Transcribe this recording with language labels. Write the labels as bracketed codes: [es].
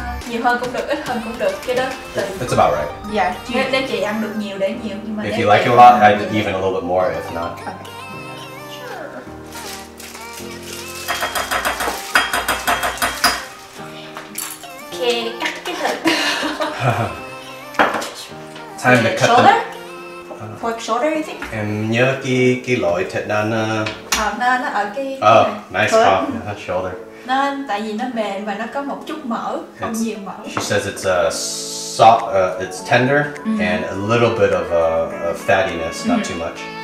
[vi] Nhiều hơn cũng được, ít hơn cũng được. Cái đó. [en] That's about right. Yeah. [vi] Nếu chị ăn được nhiều để nhiều. [en] If you like it a lot, I'd even a little bit more if not. Okay. [vi] Cắt cái thịt. [en] Time to cut the. Pork shoulder, you think? [vi] Em nhớ cái loại thịt đó nó. Nó ở cái. [en] Oh, nice call. Yeah, shoulder. [vi] Nó tại vì nó mềm và nó có một chút mỡ, không nhiều mỡ. [en] She says it's a soft, it's tender, mm-hmm. and a little bit of a fattiness, not mm-hmm. too much.